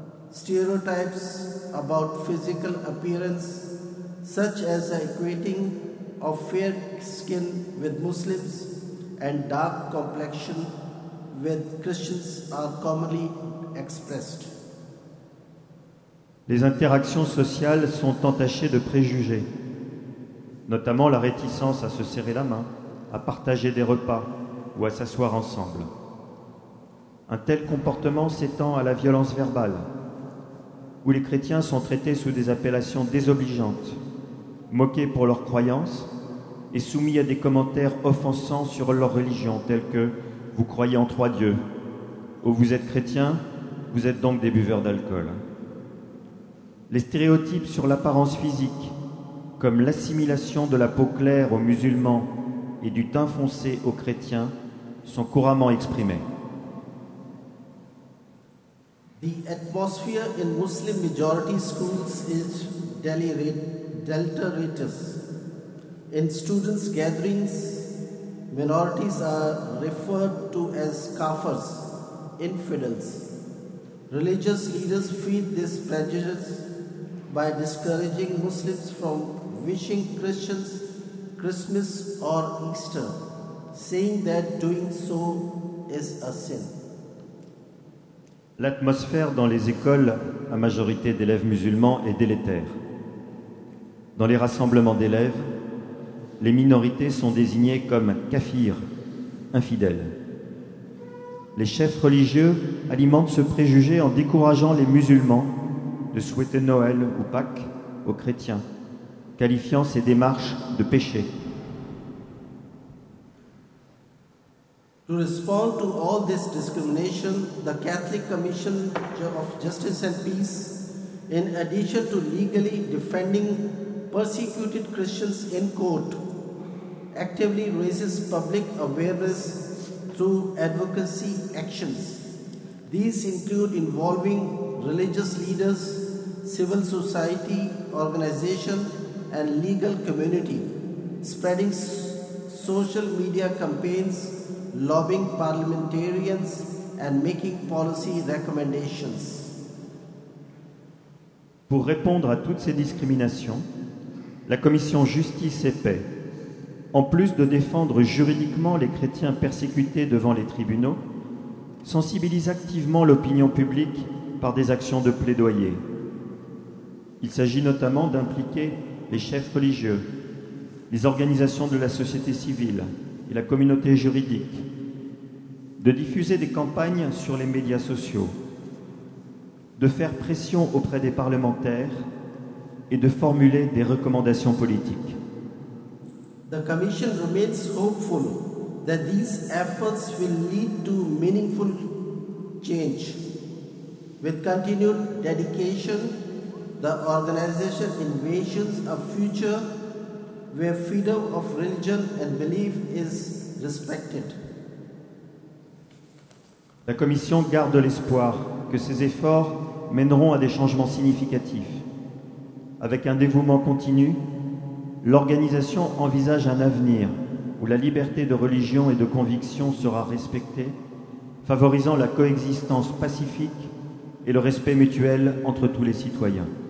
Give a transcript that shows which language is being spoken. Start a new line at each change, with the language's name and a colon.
English: Stereotypes about physical appearance, such as equating of fair skin with Muslims and dark complexion with Christians, are commonly expressed.
French: Les interactions sociales sont entachées de préjugés, notamment la réticence à se serrer la main, à partager des repas ou à s'asseoir ensemble. Un tel comportement s'étend à la violence verbale, où les chrétiens sont traités sous des appellations désobligeantes, moqués pour leurs croyances et soumis à des commentaires offensants sur leur religion, tels que « vous croyez en trois dieux » ou « vous êtes chrétien, vous êtes donc des buveurs d'alcool ». Les stéréotypes sur l'apparence physique, comme l'assimilation de la peau claire aux musulmans et du teint foncé aux chrétiens, sont couramment exprimés.
English: The atmosphere in Muslim majority schools is deleterious. In students' gatherings, minorities are referred to as kafirs, infidels. Religious leaders feed this prejudice by discouraging Muslims from wishing Christians Christmas or Easter, saying that doing so is a sin.
French: L'atmosphère dans les écoles à majorité d'élèves musulmans est délétère. Dans les rassemblements d'élèves, les minorités sont désignées comme kafirs, infidèles. Les chefs religieux alimentent ce préjugé en décourageant les musulmans de souhaiter Noël ou Pâques aux chrétiens, qualifiant ces démarches de péché.
English: To respond to all this discrimination, the Catholic Commission of Justice and Peace, in addition to legally defending persecuted Christians in court, actively raises public awareness through advocacy actions. These include involving religious leaders, civil society organizations, and legal community, spreading social media campaigns, lobbying parliamentarians and making policy recommendations.
French: Pour répondre à toutes ces discriminations, la Commission Justice et Paix, en plus de défendre juridiquement les chrétiens persécutés devant les tribunaux, sensibilise activement l'opinion publique par des actions de plaidoyer. Il s'agit notamment d'impliquer les chefs religieux, les organisations de la société civile et la communauté juridique, de diffuser des campagnes sur les médias sociaux, de faire pression auprès des parlementaires et de formuler des recommandations politiques.
English: The Commission remains hopeful that these efforts will lead to meaningful change. With continued dedication, the organization envisions a future where freedom of religion and belief is respected.
French: La Commission garde l'espoir que ces efforts mèneront à des changements significatifs. Avec un dévouement continu, l'organisation envisage un avenir où la liberté de religion et de conviction sera respectée, favorisant la coexistence pacifique et le respect mutuel entre tous les citoyens.